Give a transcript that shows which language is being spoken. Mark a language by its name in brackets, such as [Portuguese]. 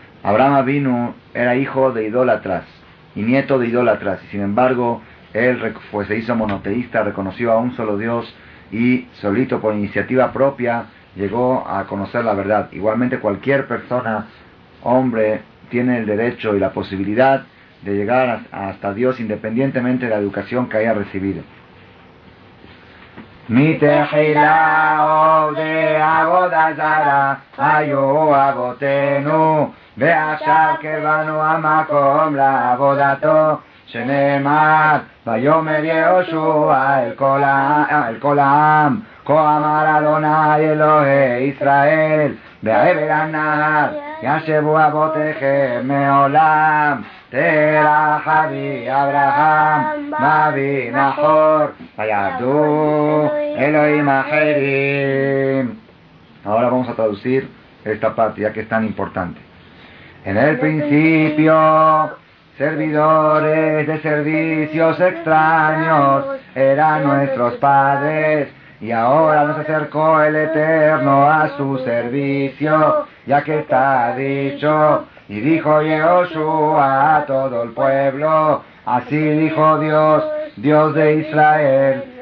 [Spanish] Abraham Avinu era hijo de idólatras y nieto de idólatras, y sin embargo él pues, se hizo monoteísta, reconoció a un solo Dios y solito por iniciativa propia llegó a conocer la verdad. Igualmente cualquier persona, hombre, tiene el derecho y la posibilidad de llegar hasta Dios independientemente de la educación que haya recibido. [Hebrew] Mi tejila o de abodazara ayo abotenu beashar kevanu amakom la abodato shenemar vayomer Yehoshua el kolam כה אמר אדוני אלוהי ישראל בעבר הנהר ישבו אבותיכם מעולם תרח אבי אברהם ואבי נחור וירדו אלוהים אחרים. [Spanish] Ahora vamos a traducir esta parte ya que es tan importante. En el principio servidores de servicios extraños eran nuestros padres, y ahora nos acercó el Eterno a su servicio, ya que está dicho, y dijo Yehoshua a todo el pueblo, así dijo Dios, Dios de Israel,